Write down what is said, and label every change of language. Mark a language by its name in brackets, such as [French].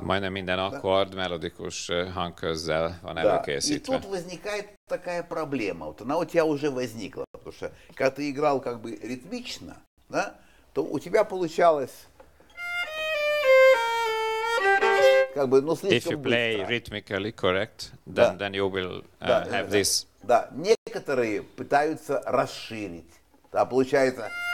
[Hungarian] Majdnem minden akkord melodikus hangközzel van előkészítve. [Russian] И тут возникает такая проблема. Вот она у тебя уже возникла. Потому что когда ты играл как бы ритмично, да, то у тебя получалось как бы, ну, слишком быстро. [English] If you play rhythmically correct, then you will have this. [Russian] Да, некоторые пытаются расширить. Да, получается...